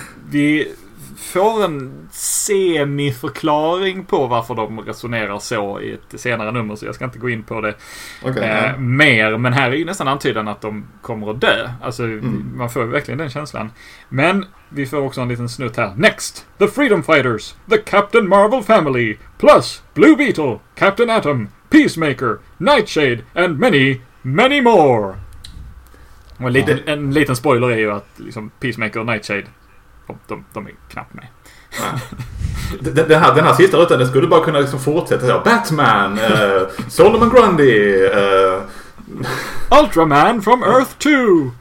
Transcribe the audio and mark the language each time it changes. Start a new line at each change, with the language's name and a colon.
Swedish: Vi får en semiförklaring på varför de resonerar så i ett senare nummer, så jag ska inte gå in på det mer. Men här är ju nästan antydan att de kommer att dö. Alltså, man får verkligen den känslan. Men vi får också en liten snutt här.
English: Next, the Freedom Fighters, the Captain Marvel family, plus Blue Beetle, Captain Atom, Peacemaker, Nightshade, and many, many more.
Swedish: Och en liten spoiler är ju att liksom, Peacemaker och Nightshade, de är knappt med. Den här sista rutan, den skulle bara kunna liksom fortsätta så här: Batman, Solomon Grundy,
English: Ultraman from Earth 2.